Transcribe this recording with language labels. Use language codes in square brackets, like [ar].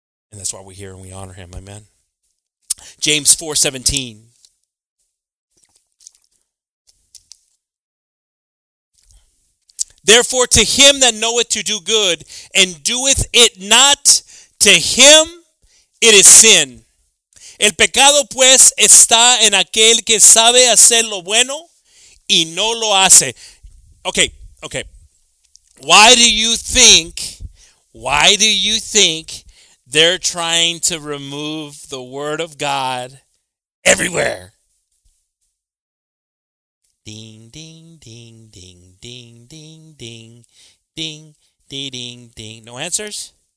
[en] And that's why we're here and we honor him. Amen. James 4:17. Therefore, to him that knoweth to do good and doeth it not, to him it is sin. [es] El pecado pues está en aquel que sabe hacer lo bueno y no lo hace. [en] Okay. Why do you think they're trying to remove the word of God everywhere? Ding, ding, ding, ding, ding, ding, ding, ding, ding, ding, ding. No answers?